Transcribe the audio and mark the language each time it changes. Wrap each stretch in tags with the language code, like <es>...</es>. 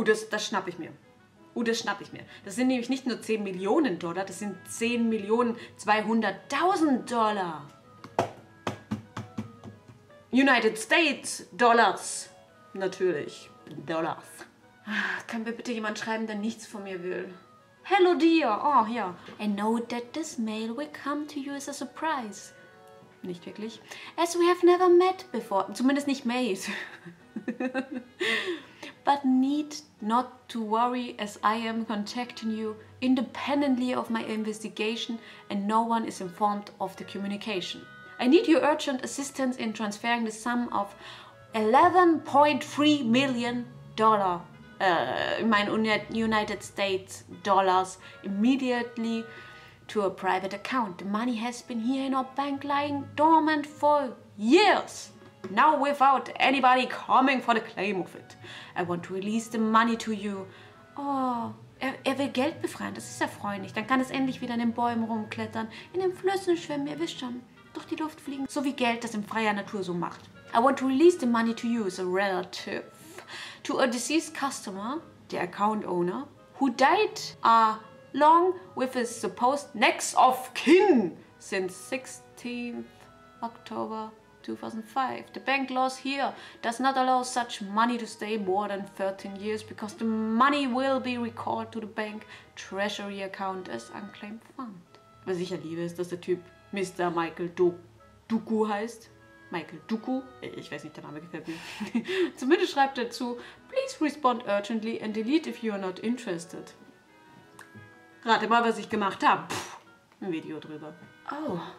<de>Das schnappe ich mir. Das sind nämlich nicht nur 10 Millionen Dollar, das sind 10 Millionen 200.000 Dollar.</de> <en>United States Dollars.</en> <de>Natürlich.</de> <en>Dollars.</en> <de>Kann mir bitte jemand schreiben, der nichts von mir will?</de> <en>Hello dear. Oh, ja. I know that this mail will come to you as a surprise.</en> <de>Nicht wirklich.</de> <en>As we have never met before.</en> <de>Zumindest nicht made.</de> <en>But need not to worry as I am contacting you independently of my investigation and no one is informed of the communication. I need your urgent assistance in transferring the sum of $11.3 million in my United States dollars immediately to a private account. The money has been here in our bank lying dormant for years. Now without anybody coming for the claim of it. I want to release the money to you.</en> <de>Oh, er will Geld befreien. Das ist erfreulich. Dann kann es endlich wieder in den Bäumen rumklettern, in den Flüssen schwimmen. Ihr wisst schon. Durch die Luft fliegen, so wie Geld das in freier Natur so macht.</de> <en>I want to release the money to you as a relative to a deceased customer, the account owner, who died along with his supposed next of kin since 16th October 2005. The bank laws here does not allow such money to stay more than 13 years because the money will be recalled to the bank treasury account as unclaimed fund.</en> <de>Was ich ja liebe ist, dass der Typ Mr. Michael Duku heißt. Michael Duku? Ich weiß nicht, der Name gefällt mir. Zumindest schreibt er zu,</de> <en>please respond urgently and delete if you are not interested.</en> <de>Rate mal, was ich gemacht habe. Ein Video drüber. Oh.</de>